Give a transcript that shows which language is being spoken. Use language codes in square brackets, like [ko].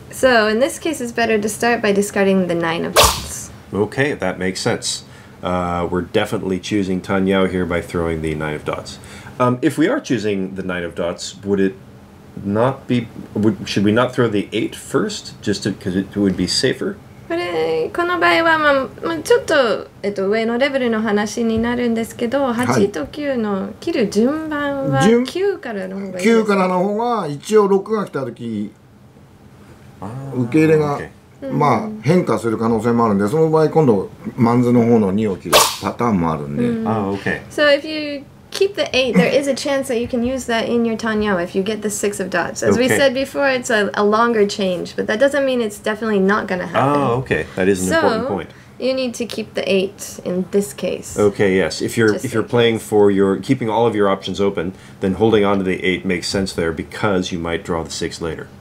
[en] So in this case, it's better to start by discarding the 9 of dots. Okay, that makes sense. We're definitely choosing Tanyao here by throwing the 9 of dots. If we are choosing the 9 of dots, would it not be... should we not throw the 8 first, just because it would be safer? [ja] この場合は、まあ、ちょっと、上のレベルの話になるんですけど、8と9の切る順番は9からの方がいいですか？ 9からの方が一応6が来た時、受け入れが、まあ変化する可能性もあるんで、その場合今度マンズの方の2を切るパターンもあるんで。 [en] Oh, okay. So if you keep the 8, there is a chance that you can use that in your Tanyao if you get the 6 of dots. As we said before, it's a longer change, but that doesn't mean it's definitely not going to happen. Oh, okay. That is an important point. So you need to keep the 8 in this case. Okay, yes. If you're playing for keeping all of your options open, then holding on to the 8 makes sense there because you might draw the 6 later.